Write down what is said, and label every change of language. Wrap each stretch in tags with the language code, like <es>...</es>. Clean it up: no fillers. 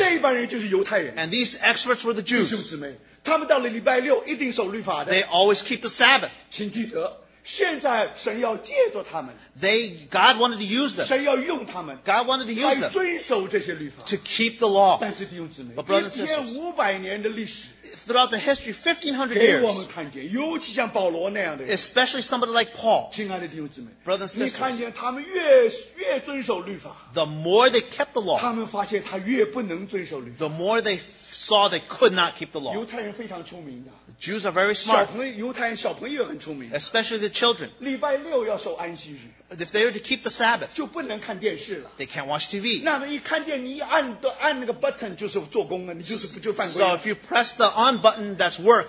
<en>And these experts were the Jews. They always keep the Sabbath. God wanted to use them. God wanted to use them to keep the law. But brothers and sisters, throughout the history, 1500 years.</en> <zh>给我们看见，尤其像保罗那样的。</zh> <en>Especially somebody like Paul.</en> <zh>亲爱的弟兄姊妹,</zh> <en>brothers and sisters.</en> <zh>你看见他们越遵守律法,</zh> <en>the more they kept the law,</en> <zh>他们发现他越不能遵守律法,</zh> <en>the more they saw they could not keep the law.</en> <zh>犹太人非常聪明的。</zh> <en>Jews are very smart.</en> <zh>小朋友,</zh> <en>especially the children. If they were to keep the Sabbath, they can't watch TV.</en> <zh>那么一看见你按的,</zh> <en>so if you press the on button, that's work.</en>